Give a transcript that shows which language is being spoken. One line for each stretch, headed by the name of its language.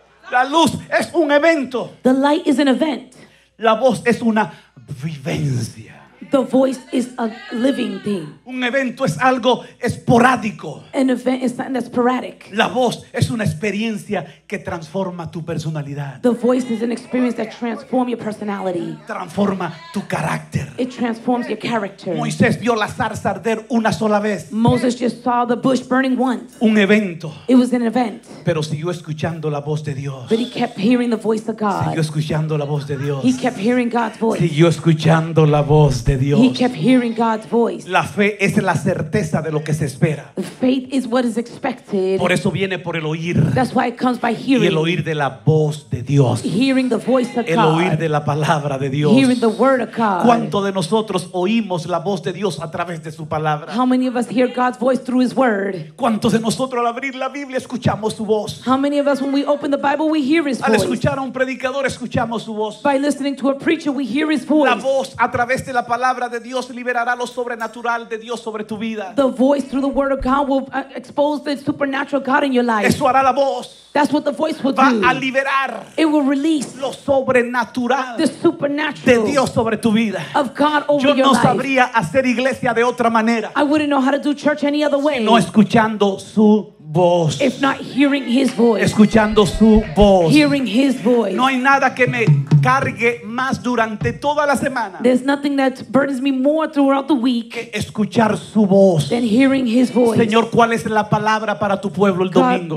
Spanish: La luz es un evento.
English: The light is an event.
Spanish: La voz es una vivencia.
English: The voice is a living thing.
Spanish: Un evento es algo esporádico.
English: An event is something that's sporadic.
Spanish: La voz es una experiencia que transforma tu personalidad.
English: The voice is an experience that transforms your personality.
Spanish: Transforma tu carácter.
English: It transforms your character.
Spanish: Moisés vio la zarza arder una sola vez.
English: Moses just saw the bush burning once.
Spanish: Un evento.
English: It was an event.
Spanish: Pero siguió escuchando la voz de Dios.
English: But he kept hearing the voice of God.
Spanish: Siguió escuchando la voz de Dios.
English: He kept hearing God's voice.
Spanish: Siguió escuchando la voz de Dios.
English: He kept hearing God's voice.
Spanish: La fe es la certeza de lo que se espera.
English: Faith is what is expected.
Spanish: Por eso viene por el oír.
English: That's why it comes by hearing.
Spanish: Y el oír de la voz de Dios.
English: Hearing the voice of God.
Spanish: El oír de la palabra de Dios.
English: Hearing the word of God.
Spanish: ¿Cuánto de nosotros oímos la voz de Dios a través de su palabra?
English: How many of us hear God's voice through his word?
Spanish: ¿Cuántos de nosotros al abrir la Biblia escuchamos su voz?
English: How many of us when we open the Bible we hear his voice?
Spanish: Al escuchar a un predicador escuchamos su voz.
English: By listening to a preacher we hear his voice.
Spanish: La voz a través de la palabra de Dios liberará lo sobrenatural de Dios sobre tu vida.
English: The voice through the word of God will expose the supernatural God in your life.
Spanish: Eso hará la voz.
English: That's what the voice will
Spanish: va
English: do.
Spanish: Va a liberar.
English: It will release
Spanish: lo sobrenatural.
English: The supernatural
Spanish: de Dios sobre tu vida.
English: Of God over
Spanish: yo
English: your
Spanish: no
English: life.
Spanish: Sabría hacer iglesia de otra manera.
English: I wouldn't know how to do church any other way.
Spanish: Si no escuchando su voz.
English: If not hearing his voice.
Spanish: Escuchando su voz.
English: Hearing his voice.
Spanish: No hay nada que me cargue más durante toda la semana.
English: There's nothing that burdens me more throughout the week.
Spanish: Escuchar su voz.
English: Than hearing his voice.
Spanish: Señor, ¿cuál es la palabra para tu pueblo el domingo?